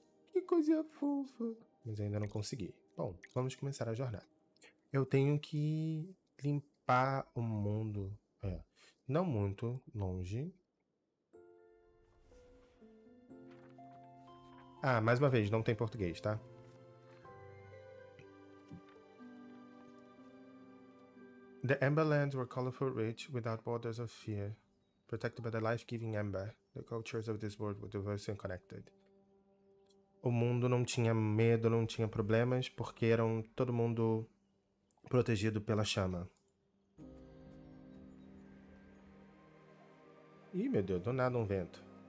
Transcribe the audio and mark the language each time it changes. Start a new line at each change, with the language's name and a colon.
Portuguese: Que coisa fofa. Mas ainda não consegui. Bom, vamos começar a jornada. Eu tenho que limpar o mundo. É, não muito longe. Ah, mais uma vez, não tem português, tá?
English: The Emberlands were colorful, rich, without borders of fear. Protected by the life-giving Ember, the cultures of this world were diverse and connected.
Portuguese: O mundo não tinha medo, não tinha problemas, porque eram todo mundo protegido pela chama. Ih, meu Deus, do nada um vento.